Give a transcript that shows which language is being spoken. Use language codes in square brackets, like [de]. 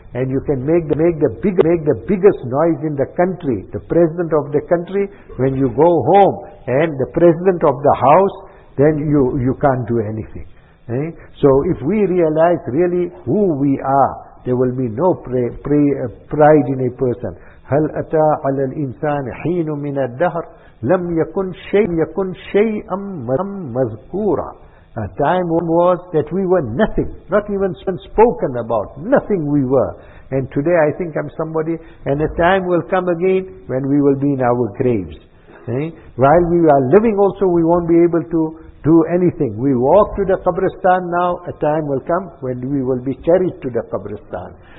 [en] And you can make the biggest noise in the country, the president of the country, when you go home, and the president of the house, then you can't do anything. So if we realize really who we are, there will be no pride in a person. [ar] هل أتى على الإنسان حين من الدهر لم يكن شيء مذكورا. [en] A time was that we were nothing, not even spoken about, nothing we were. And today I think I'm somebody, and a time will come again when we will be in our graves. While we are living also, we won't be able to do anything. We walk to the Qabristan now, a time will come when we will be carried to the Qabristan.